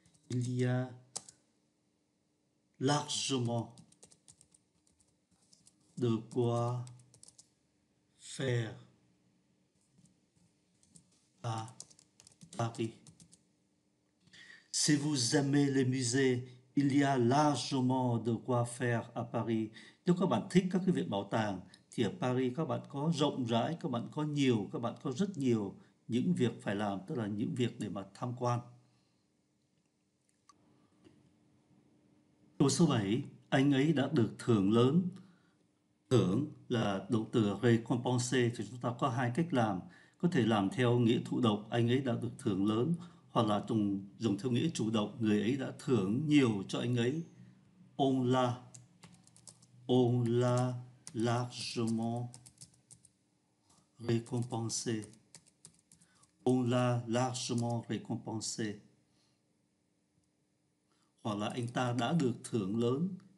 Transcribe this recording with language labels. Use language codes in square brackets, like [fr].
[fr] Il y a largement de quoi faire à Paris. Si vous aimez les musées, il y a largement de quoi faire à Paris. [vi] Nếu các bạn thích các cái viện bảo tàng, thì ở Paris các bạn có rộng rãi, các bạn có rất nhiều những việc phải làm, tức là những việc để mà tham quan. Câu số 7, anh ấy đã được thưởng lớn. Thưởng là động từ récompense, thì chúng ta có hai cách làm. Có thể làm theo nghĩa thụ động, anh ấy đã được thưởng lớn, hoặc là dùng theo nghĩa chủ động, người ấy đã thưởng nhiều cho anh ấy. [fr] On l'a largement récompensé. On l'a largement récompensé. [vi] Hoặc là anh ta đã được thưởng lớn.